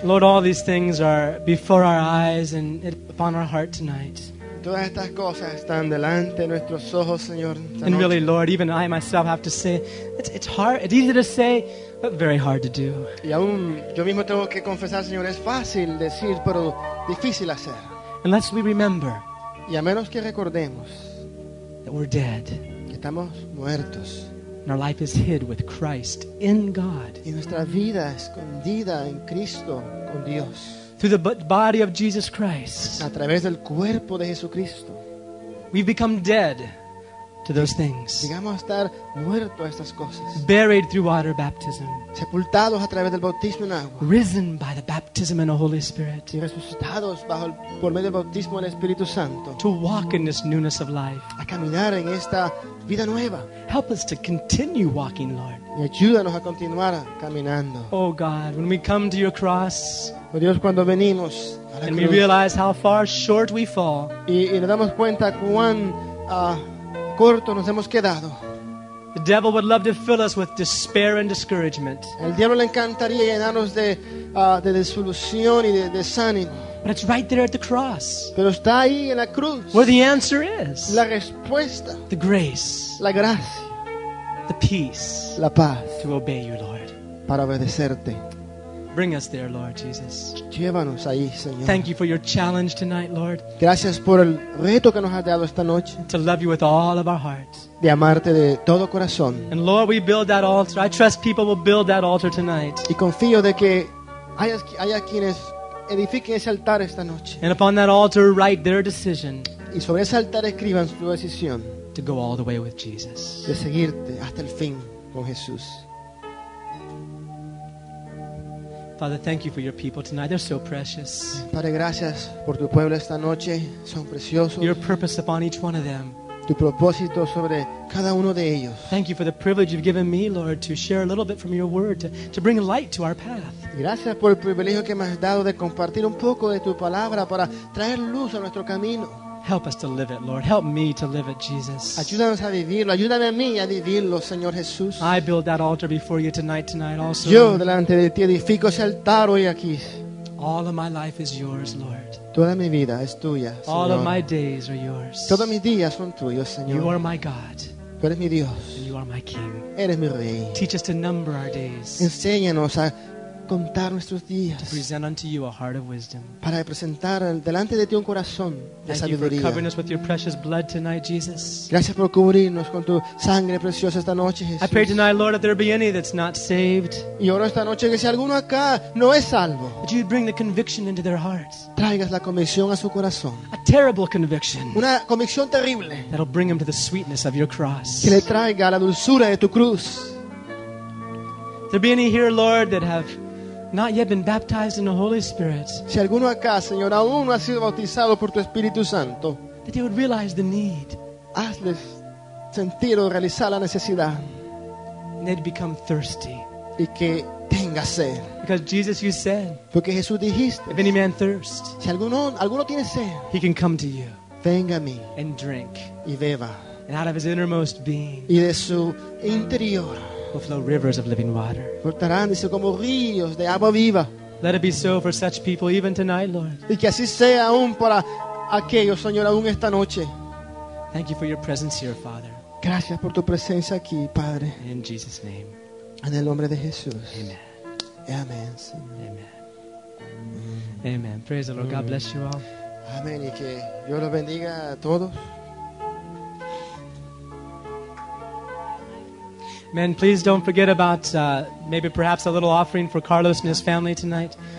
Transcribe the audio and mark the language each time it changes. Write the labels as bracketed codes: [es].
[en] Lord, all these things are before our eyes and upon our heart tonight. [es] Todas estas cosas están delante de nuestros ojos, Señor. [en] And [es] noche. [en] Really, Lord, even I myself have to say, it's hard, it's easy to say, but very hard to do. [es] Y aún yo mismo tengo que confesar, Señor, es fácil decir, pero difícil hacer. [en] Unless we remember, [es] y a menos que recordemos, [en] that we're dead, [es] que estamos muertos, [en] and our life is hid with Christ in God, [es] y nuestra vida escondida en Cristo con Dios, [en] through the body of Jesus Christ, [es] a través del cuerpo de Jesucristo, [en] we've become dead to those things, [es] llegamos a estar muertos a estas cosas, [en] buried through water baptism, [es] sepultados a través del bautismo en agua, [en] risen by the baptism in the Holy Spirit, [es] y resucitados por medio del bautismo en el Espíritu Santo, [en] to walk in this newness of life, [es] a caminar en esta vida nueva. [en] Help us to continue walking, Lord, [es] y ayúdanos a continuar caminando. [en] Oh God, when we come to your cross, [es] oh Dios, cuando venimos a la [en] and [es] cruz, [en] we realize how far short we fall, [es] y nos damos cuenta cuán corto nos hemos quedado. [en] The devil would love to fill us with despair and discouragement. [es] El diablo le encantaría llenarnos de desilusión y de desánimo. [en] But it's right there at the cross. [es] Pero está ahí en la cruz. [en] Where the answer is. [es] La respuesta. [en] The grace. [es] La gracia. [en] The peace. [es] La paz. [en] To obey you, Lord. [es] Para obedecerte. [en] Bring us there, Lord Jesus. [es] Llévanos ahí, Señor. [en] Thank you for your challenge tonight, Lord. [es] Gracias por el reto que nos has dado esta noche. [en] To love you with all of our hearts. [es] De amarte de todo corazón. [en] And Lord, we build that altar. I trust people will build that altar tonight. [es] Y confío de que haya quienes edifiquen ese altar esta noche. [en] And upon that altar, write their decision. [es] Y sobre ese altar escriban su decisión. [en] To go all the way with Jesus. [es] De seguirte hasta el fin con Jesús. [en] Father, thank you for your people tonight. They're so precious. [es] Padre, gracias por tu pueblo esta noche. Son preciosos. [en] Your purpose upon each one of them. [es] Tu propósito sobre cada uno de ellos. [en] Thank you for the privilege you've given me, Lord, to share a little bit from your word, to bring light to our path. [es] Gracias por el privilegio que me has dado de compartir un poco de tu palabra para traer luz a nuestro camino. [en] Help us to live it, Lord. Help me to live it, Jesus. [es] Ayúdanos a vivirlo. Ayúdame a mí a vivirlo, Señor Jesús. [en] I build that altar before you tonight also. [es] Yo delante de ti edifico ese altar hoy aquí. [en] All of my life is yours, Lord. [es] Toda mi vida es tuya, Señor. [en] All of my days are yours. [es] Todos mis días son tuyos, Señor. [en] You are my God. [es] Tú eres mi Dios. [en] And you are my King. [es] Eres mi Rey. [en] Teach us to number our days. [es] Enséñanos a contar nuestros días. [en] To present unto you a heart of wisdom. [es] Para presentar delante de ti un corazón de sabiduría. [en] Thank you for covering us with your precious blood tonight, Jesus. [es] Gracias por cubrirnos con tu sangre preciosa esta noche, Jesús. [en] I pray tonight, Lord, if there be any that's not saved. [es] Y oro esta noche que si alguno acá no es salvo. [en] That you'd bring the conviction into their hearts. [es] Traigas la convicción a su corazón. [en] A terrible conviction. [es] Una convicción terrible. [en] That'll bring them to the sweetness of your cross. [es] Que le traiga la dulzura de tu cruz. [en] There be any here, Lord, that have not yet been baptized in the Holy Spirit. [es] Si alguno acá, Señor, aún no ha sido bautizado por tu Espíritu Santo. [en] That they would realize the need. [es] Hazles sentir o realizar la necesidad. [en] And they'd become thirsty. [es] Y que tenga sed. [en] Because Jesus, you said. [es] Porque Jesús dijiste. [en] If any man thirst. [es] Si alguno tiene sed. [en] He can come to you. [es] Venga a mí. [en] And drink. [es] Y beba. [en] And out of his innermost being. [es] Y de su interior. [en] Will flow rivers of living water. [es] Brotarán, dice, como ríos de agua viva. [en] Let it be so for such people even tonight, Lord. [es] Y que así sea aún para aquellos, Señor, aún esta noche. [en] Thank you for your presence here, Father. [es] Gracias por tu presencia aquí, Padre. [en] In Jesus' name. [es] En el nombre de Jesús. [en] Amen. [es] Amen, Señor. [en] Amen. Amen. Amen. Praise the Lord. Amen. God bless you all. [es] Amen. Y que Dios los bendiga a todos. [en] Men, please don't forget about maybe perhaps a little offering for Carlos and his family tonight.